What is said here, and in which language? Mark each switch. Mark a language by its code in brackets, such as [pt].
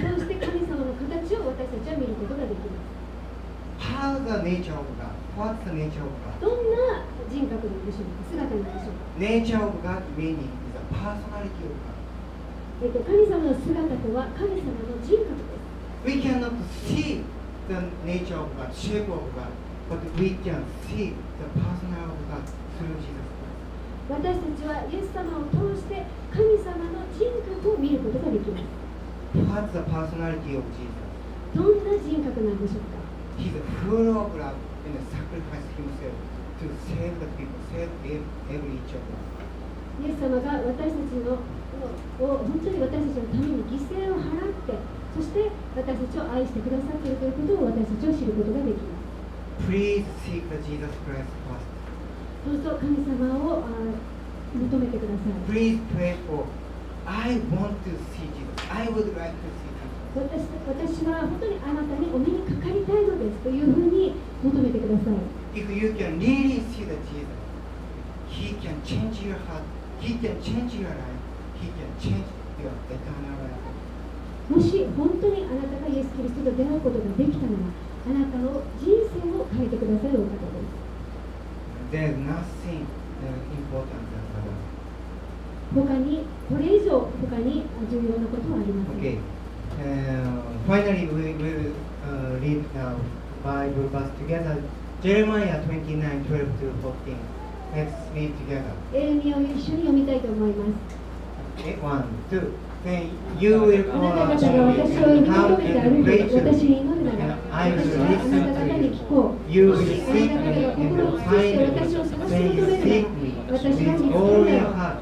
[ja] イエス様を通して神様の形を私たちは見ることができます。 [en] How the nature of God? What's the nature of God? [ja] どんな人格でしょうか、姿なんでしょうか。 [en] Nature of God meaning is a personality of God. [ja] 神様の姿とは神様の人格。 [en] We cannot see the nature of God, shape of God, but we can see the personality of God through Jesus Christ. [ja] 私たちはイエス様を通して神様の人格を見ることができます。 [en] What's the personality of Jesus? [ja] どんな人格なんでしょうか。 [en] He's full of love and sacrifice himself to save the people, save every each of us. [ja] イエス様が私たちのを本当に私たちのために犠牲を払って。そして私たちを愛してくださっているということを私たちは知ることができます。 [en] Please seek the Jesus Christ first. [ja] どうぞ神様を求めてください。 [en] Please pray for. I want to see Jesus. I would like to see Jesus. [ja] 私は本当にあなたにお目にかかりたいのですというふうに求めてください。 [en] If you can really see the Jesus, He can change your heart. He can change your life. He can change your eternal life. [ja] もし本当にあなたがイエス・キリストと出会うことができたならあなたの人生を変えてくださるお方です。 [en] There's nothing important than that. [ja] 他にこれ以上他に重要なことはありません。 [en] Okay. Finally we will read the Bible verse together. Jeremiah 29:12-14. Let's read together. [ja] エレミアを一緒に読みたいと思います。 [en] 1, 2Then you will call on me and come and pray to me, and I will listen to you. You will seek me and find me. Then you seek me with all your heart.